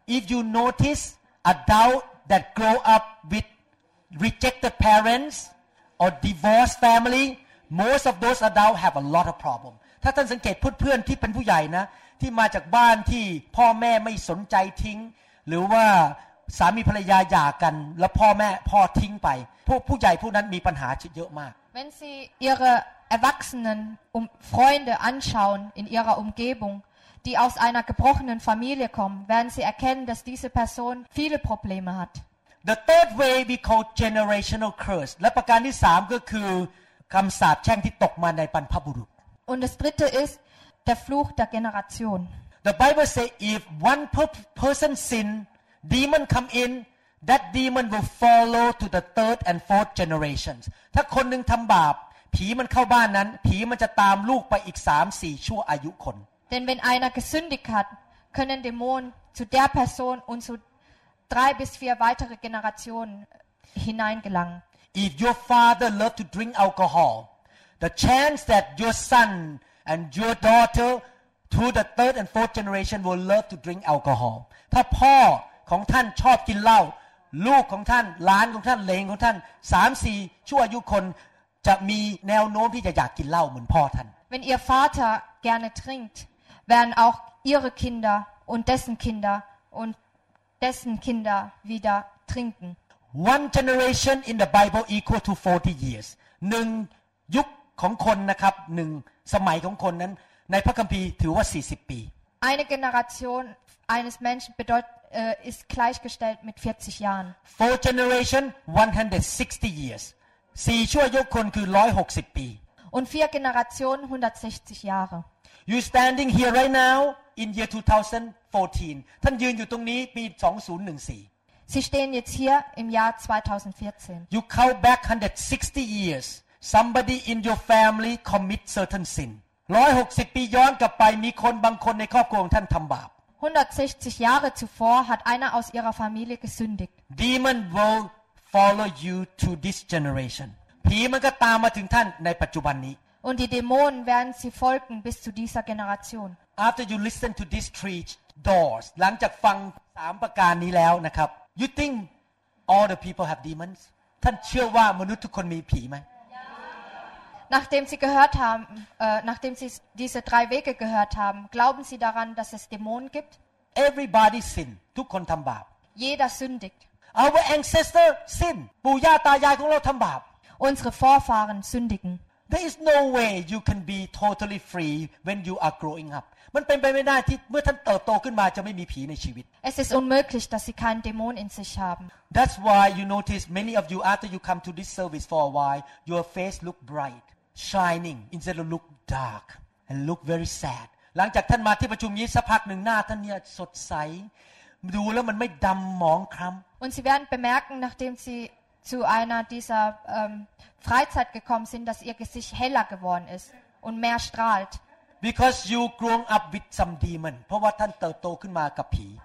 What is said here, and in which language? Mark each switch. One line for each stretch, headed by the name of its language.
English: If you notice adults that grow up with rejected parents or divorced family, most of those adults have a lot of problems.
Thai: ถ้าท่านสังเกตเพื่อนๆที่เป็นผู้ใหญ่นะที่มาจากบ้านที่พ่อแม่ไม่สนใจทิ้งหรือว่าสามีภรรยาหย่ากันแล้วพ่อแม่พ่อทิ้งไปผู้ใหญ่พวกนั้นมีปัญหาเยอะมาก
German: Wenn sie ihreErwachsenen um Freunde anschauen in ihrer Umgebung, die aus einer gebrochenen Familie kommen, werden sie erkennen, dass diese Person viele Probleme hat.
English: The third way we call generational curse.
Thai: และประการที่สามก็คือคำสาปแช่งที่ตกมาในบรรพบุรุษ
German: Und das dritte ist der Fluch der Generation.
English: The Bible says if one person sin, demon come in, that demon will follow to the third and fourth generations.
Thai: ถ้าคนหนึ่งทำบาปผีมันเข้าบ้านนั้นผีมันจะตามลูกไปอีก 3-4 ชั่วอายุคน
German: Denn wenn einer gesündigt hat, können Dämonen zu der Person und zu 3-4 weitere Generationen hineingelangen.
English: If your father loved to drink alcohol, the chance that your son and your daughter to the third and fourth generation will love to drink alcohol.
Thai: ถ้าพ่อของท่านชอบกินเหล้าลูกของท่านหลานของท่านเลนของท่าน 3-4 ชั่วอายุคนจะมีแนวโน้มที่จะอยากกินเหล้าเหมือนพ่อท่าน
German: Wenn ihr Vater gerne trinkt, werden auch ihre Kinder und dessen Kinder undessen Kinder wieder trinken.
English: One generation in the Bible equal to 40 years.
Thai: 1ยุคของคนนะครับ1สมัยของคนนั้นในพระคัมภีร์ถือว่า40ปี
German: Eine Generation eines Menschen ist gleichgestellt mit 40 Jahren.
English: Four generation 160 years.
Thai: 4ชั่วยุคคนคือ160ปี
German: Und vier Generationen 160 Jahre.
English: You standing here right now in year 2014.
Thai: ท่านยืนอยู่ตรงนี้ปี2014.
German: Sie stehen jetzt hier im Jahr 2014.
English: You count back 160 years. Somebody in your family commit certain sin.
Thai: 160ปีย้อนกลับไปมีคนบางคนในครอบครัวของท่านทำบาป
German: 160 Jahre zuvor hat einer aus ihrer Familie gesündigt.
English: Demon will follow you to this generation.
Thai: ผีมันก็ตามมาถึงท่านในปัจจุบันนี้
German: Und die Dämonen werden sie folgen bis zu dieser Generation.
English: After you listen to these three doors,
Thai: หลังจากฟัง3ประการนี้แล้วนะครับ
English: you think all the people have demons?
Thai: ท่านเชื่อว่ามนุษย์ทุกคนมีผีไหม
German: Nachdem Sie gehört haben, nachdem Sie diese drei Wege gehört haben, glauben Sie daran, dass es Dämonen gibt?
English: Everybody sin.
Thai: ทุกคนทำบาป
German: Jeder sündigt.
English: Our ancestors sin.
Thai: ปู่ย่าตายายของเราทำบาป
German: Unsere Vorfahren sündigen.
English: There is no way you can be totally free when you are growing up.
Thai: มันเป็นไปไม่ได้ที่เมื่อท่านเติบโตขึ้นมาจะไม่มีผีในชีวิต
German: Es ist unmöglich, dass sie keinen Dämon in sich haben.
English: That's why you notice many of you after you come to this service for a while, your face look bright, shining instead of look dark and look very sad.
Thai: หลังจากท่านมาที่ประชุมนี้สักพักหนึ่งหน้าท่านเนี่ยสดใสดูแล้วมันไม่ดำหมองคล้ำ
German: Und Sie werden bemerken, nachdem Sie zu einer dieser Freizeit gekommen sind, dass ihr Gesicht heller geworden ist und mehr strahlt.
English: Because you grown up with some demon,
Thai: เพราะว่าท่านเติบโตขึ้นมากับผี